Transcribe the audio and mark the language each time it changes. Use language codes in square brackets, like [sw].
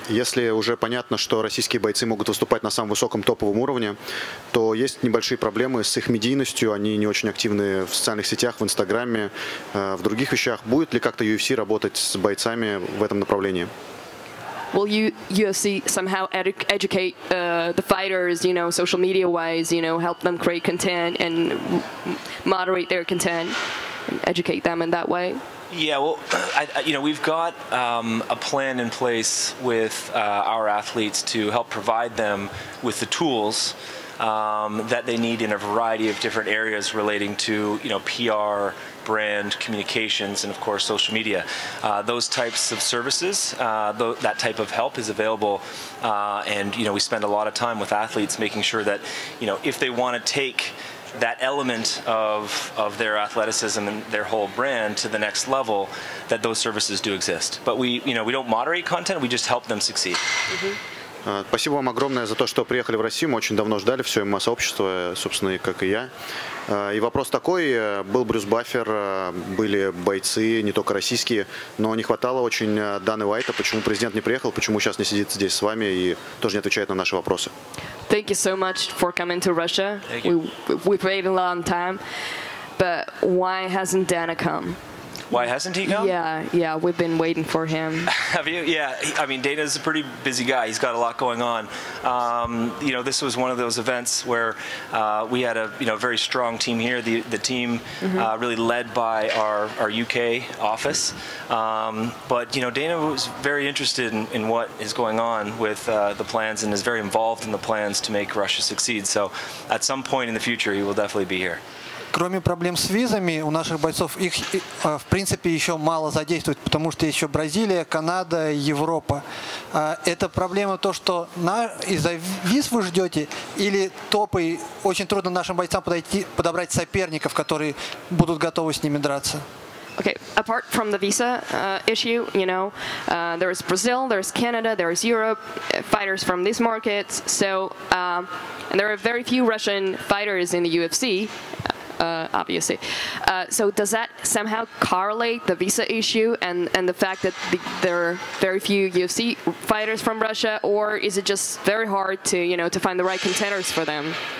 [ru] Если уже понятно, что российские бойцы могут выступать на самом высоком топовом уровне, то есть небольшие проблемы с их медийностью. Они не очень активны в социальных сетях, в Инстаграме, в других вещах. Будет ли как-то UFC работать с бойцами в этом направлении? [en] Will UFC somehow educate the fighters, you know, social media wise, you know, help them create content and moderate their content and educate them in that way? Yeah, well, we've got a plan in place with our athletes to help provide them with the tools that they need in a variety of different areas relating to, you know, PR, brand, communications, and of course, social media. Those types of services, that type of help is available. And, you know, we spend a lot of time with athletes making sure that, you know, if they want to take that element of their athleticism and their whole brand to the next level, that those services do exist. But we don't moderate content, we just help them succeed. Mm-hmm. [ru] Спасибо вам огромное за то, что приехали в Россию. Мы очень давно ждали все ММА сообщество, собственно, как и я. И вопрос такой, был Брюс Баффер, были бойцы, не только российские, но не хватало очень Даны Уайта. Почему президент не приехал, почему сейчас не сидит здесь с вами и тоже не отвечает на наши вопросы? [en] Thank you so much for coming to Russia. We've waited a long time, but why hasn't Dana come? Why hasn't he come? Yeah, we've been waiting for him. Have you? Yeah, I mean, Dana's a pretty busy guy. He's got a lot going on. You know, this was one of those events where we had a, you know, very strong team here. The team mm-hmm. Really led by our UK office. But, you know, Dana was very interested in what is going on with the plans and is very involved in the plans to make Russia succeed. So at some point in the future, he will definitely be here. [ru] Кроме проблем с визами, у наших бойцов их, в принципе, еще мало задействуют, потому что еще Бразилия, Канада, Европа. Это проблема то, что из-за виз вы ждете, или топы, очень трудно нашим бойцам подобрать соперников, которые будут готовы с ними драться. [en] Okay, apart from the visa issue, you know, there is Brazil, there is Canada, there is Europe, fighters from these markets, so, and there are very few Russian fighters in the UFC, obviously. So does that somehow correlate the visa issue and the fact that there are very few UFC fighters from Russia, or is it just very hard to, you know, to find the right contenders for them?